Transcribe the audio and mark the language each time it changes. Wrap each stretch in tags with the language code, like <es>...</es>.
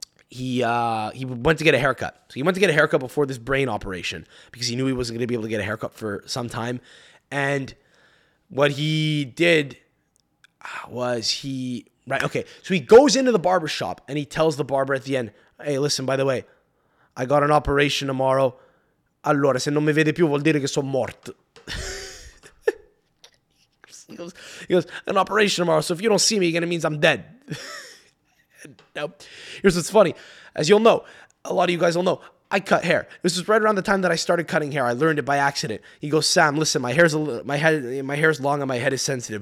<en>he went to get a haircut. So he went to get a haircut before this brain operation because he knew he wasn't going to be able to get a haircut for some time. And what he did was he, right, okay. So he goes into the barbershop and he tells the barber at the end, hey, listen, by the way, I got an operation tomorrow.</en> <it>Allora, se non mi vede più vuol dire che sono morto.</it> <en>He goes, an operation tomorrow. So if you don't see me again, it means I'm dead. Nope. Here's what's funny. As you'll know, a lot of you guys will know, I cut hair. This was right around the time that I started cutting hair. I learned it by accident. He goes, Sam, listen, my hair's long and my head is sensitive.</en>